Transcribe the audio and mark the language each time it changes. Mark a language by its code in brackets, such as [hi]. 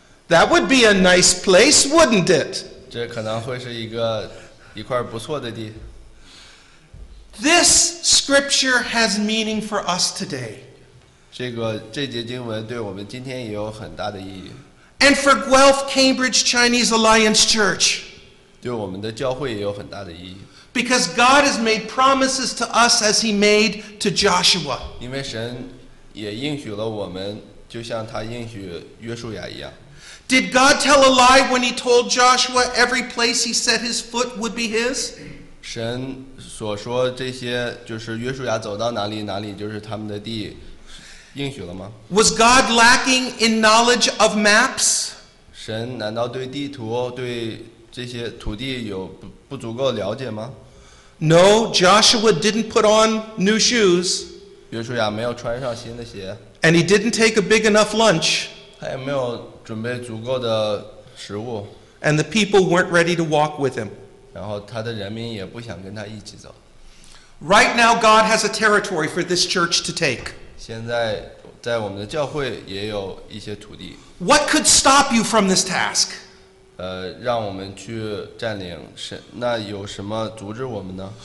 [en] That would be a nice place, wouldn't it? [zh] 这可能会是一块不错的地。 [en] This scripture has meaning for us today. [zh] 这节经文对我们今天也有很大的意义。 [en] And for Guelph Cambridge Chinese Alliance Church. [zh] 对我们的教会也有很大的意义。 [en] Because God has made promises to us as He made to Joshua. [zh] 因为神也应许了我们，就像他应许约书亚一样。 [en] Did God tell a lie when He told Joshua every place He set His foot would be His? [zh] 神所说这些就是约书亚走到哪里，哪里就是他们的地，应许了吗？ [en] Was God lacking in knowledge of maps? [zh] 神难道对地图对这些土地有不足够了解吗？ [en] No, Joshua didn't put on new shoes. [zh] 约书亚没有穿上新的鞋。 [en] And he didn't take a big enough lunch. [zh] 他也没有准备足够的食物。 [en] And the people weren't ready to walk with him. [zh] 然后他的人民也不想跟他一起走。 [en] Right now, God has a territory for this church to take. [zh] 现在在我们的教会也有一些土地。 [en] What could stop you from this task? [zh] 让我们去占领，那有什么阻止我们呢？